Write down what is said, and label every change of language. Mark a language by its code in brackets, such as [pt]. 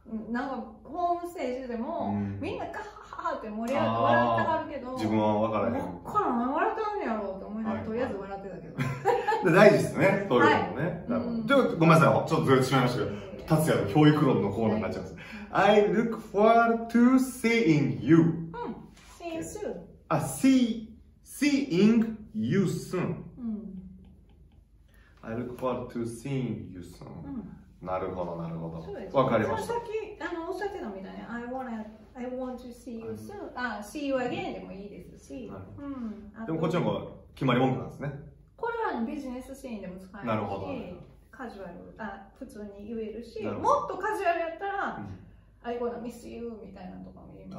[ja] なんか、ホームステージでも、うん、みんなカッハーって盛り上がって笑ってはるけど、自分は分からへん。こっから何笑ってんやろうって思いながら、とりあえず笑ってたけど。で大事ですね、そういうのもね。はい、ちょっとごめんなさい、ちょっとずれてしまいましたけど、達也の教育論のコーナーになっちゃいます。 [en] はい、I look forward to seeing you. うん、see you soon. あ、seeing you soon.、 [ja] うん、 [en] I look forward to seeing you soon.、 [ja] うん、なるほど、なるほど。わかりました。さっき、あの、おっしゃってたみたいに、 [en] I want to see you soon. See you again [ja] でもいいですし。はい、うん、でも、こっちの方が決まり文句なんですね。これはビジネスシーンでも使えるし、なるほど、カジュアル、普通に言えるし、もっとカジュアルやったら、うん、 [en] I wanna miss you [ja] みたいなのとかも言えます。